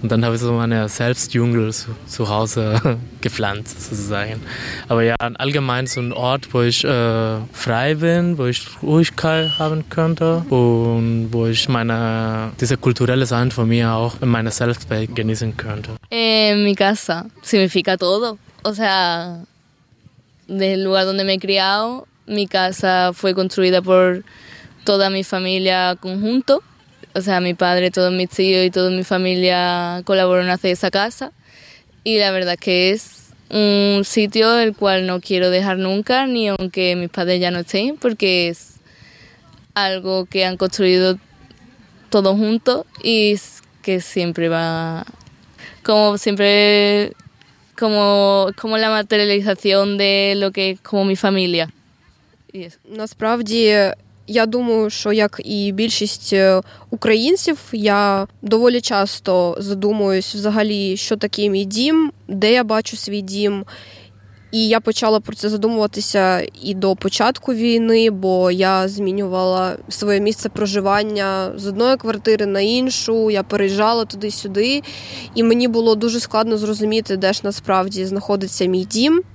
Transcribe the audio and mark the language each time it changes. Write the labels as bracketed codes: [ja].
[de] Und dann habe ich so meine Selbstdschungel so, zu Hause gepflanzt sozusagen. Aber ja, allgemein so ein Ort, wo ich frei bin, wo ich Ruhigkeit haben könnte und wo ich meine diese kulturelle Sein von mir auch in meiner Selbstwelt genießen könnte. [es] Mi casa significa todo. O sea, desde el lugar donde me he criado, mi casa fue construida por toda mi familia conjunto. O sea, mi padre, todos mis tíos y toda mi familia colaboraron hacer esa casa. Y la verdad que es un sitio del cual no quiero dejar nunca, ni aunque mis padres ya no estén, porque es algo que han construido todos juntos y que siempre va como siempre como la materialización de lo que es como mi familia. [en] Yes. [uk] Насправді, я думаю, що як і більшість українців, я доволі часто задумуюсь взагалі, що таке мій дім, де я бачу свій дім. І я почала про це задумуватися і до початку війни, бо я змінювала своє місце проживання з одної квартири на іншу, я переїжджала туди-сюди, і мені було дуже складно зрозуміти, де ж насправді знаходиться мій дім.